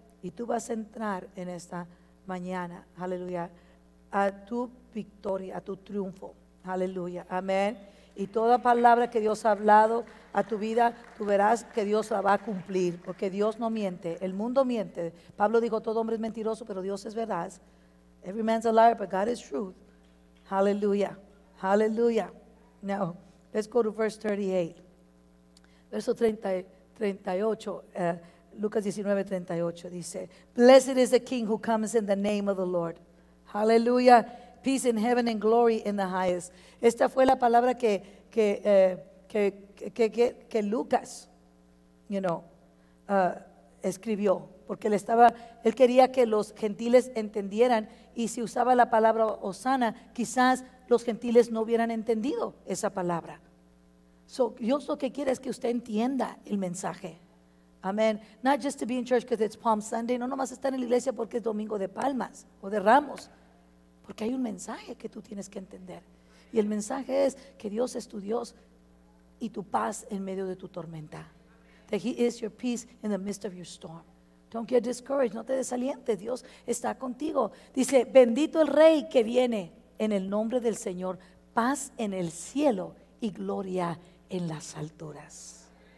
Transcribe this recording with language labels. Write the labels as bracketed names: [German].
[Spanish] Y tú vas a entrar en esta mañana, aleluya, a tu victoria, a tu triunfo. Aleluya. Amén. Y toda palabra que Dios ha hablado a tu vida, tú verás que Dios la va a cumplir, porque Dios no miente, el mundo miente. Pablo dijo, todo hombre es mentiroso, pero Dios es verdad. [English] Every man's a liar, but God is truth. Hallelujah. Hallelujah. Now, let's go to verse 38. [Spanish] Verso 38, Lucas 19:38 dice, [English] Blessed is the king who comes in the name of the Lord. Hallelujah. Peace in heaven and glory in the highest. [Spanish] Esta fue la palabra que Lucas, you know, escribió, porque él quería que los gentiles entendieran, y si usaba la palabra Hosanna, quizás los gentiles no hubieran entendido esa palabra. So, Dios lo que quiere es que usted entienda el mensaje. Amén. [English] Not just to be in church because it's Palm Sunday, [Spanish] no nomás estar en la iglesia porque es domingo de palmas o de ramos. Porque hay un mensaje que tú tienes que entender. Y el mensaje es que Dios es tu Dios y tu paz en medio de tu tormenta. [English] That he is your peace in the midst of your storm. Don't get discouraged. [Spanish] No te desalientes. Dios está contigo. Dice, bendito el rey que viene en el nombre del Señor. Paz en el cielo y gloria en las alturas.